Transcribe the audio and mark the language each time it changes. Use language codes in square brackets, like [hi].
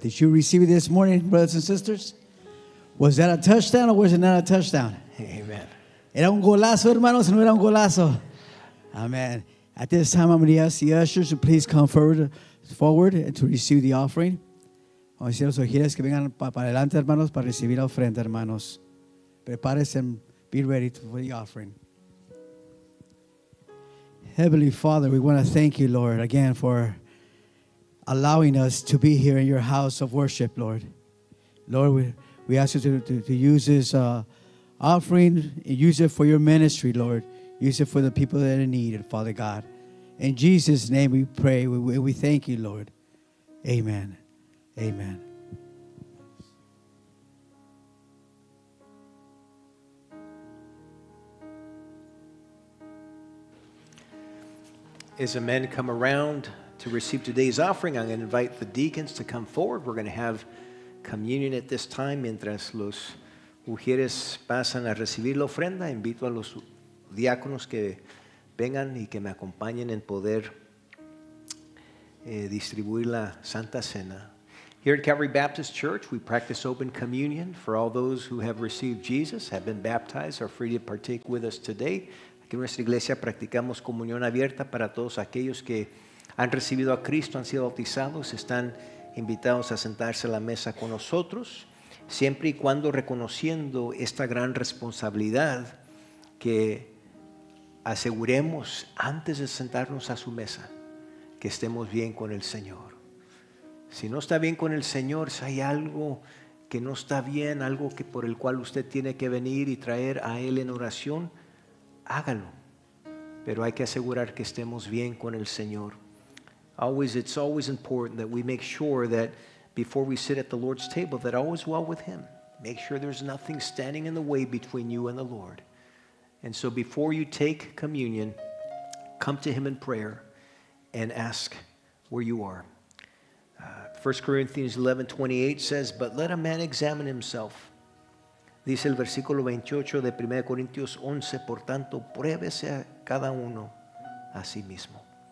[en] Did you receive it this morning, brothers and sisters? Was that a touchdown or was it not a touchdown? Amen. [es] Era un golazo, hermanos, no era un golazo. Amen. [en] At this time, I'm going to ask the ushers to please come forward to receive the offering. [es] Vamos a decir a los ojeras que vengan para adelante, hermanos, para recibir la ofrenda, hermanos. Prepárese [en] and be ready for the offering. Heavenly Father, we want to thank you, Lord, again for allowing us to be here in your house of worship, Lord. Lord, we ask you to use this offering, use it for your ministry, Lord. Use it for the people that are needed, Father God. In Jesus' name we pray, we thank you, Lord. Amen. Amen. As the men come around to receive today's offering, I'm going to invite the deacons to come forward. We're going to have communion at this time. [es] Mientras los mujeres pasan a recibir la ofrenda, invito a los diáconos que vengan y que me acompañen en poder distribuir la Santa Cena. [en] Here at Calvary Baptist Church, we practice open communion for all those who have received Jesus, have been baptized, are free to partake with us today. [es] Que en nuestra iglesia practicamos comunión abierta para todos aquellos que han recibido a Cristo, han sido bautizados, están invitados a sentarse a la mesa con nosotros, siempre y cuando reconociendo esta gran responsabilidad que aseguremos antes de sentarnos a su mesa, que estemos bien con el Señor. Si no está bien con el Señor, si hay algo que no está bien, algo que por el cual usted tiene que venir y traer a Él en oración, hágalo, pero hay que asegurar que estemos bien con el Señor. [en] Always, it's always important that we make sure that before we sit at the Lord's table, that all is well with Him. Make sure there's nothing standing in the way between you and the Lord. And so before you take communion, come to Him in prayer and ask where you are. 1 Corinthians 11:28 says, but let a man examine himself. [es] Dice el versículo 28 de 1 Corintios 11, por tanto, pruébese a cada uno a sí mismo.